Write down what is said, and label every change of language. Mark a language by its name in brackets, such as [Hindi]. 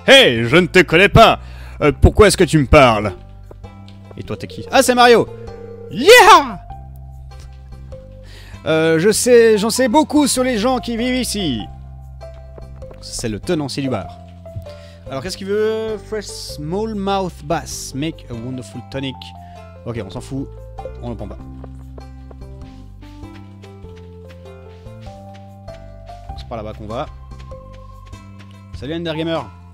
[French] Hey, je ne te connais pas. Pourquoi est-ce que tu me parles? Et toi, t'es qui? Ah, c'est Mario. Yeah! J'en sais beaucoup sur les gens qui vivent ici. C'est le tenancier du bar. Alors qu'est-ce qu'il veut? [English] Fresh small mouth bass, make a wonderful tonic. [French] Ok, on s'en fout, on le prend pas. C'est par là-bas qu'on va. Salut Ender Gamer.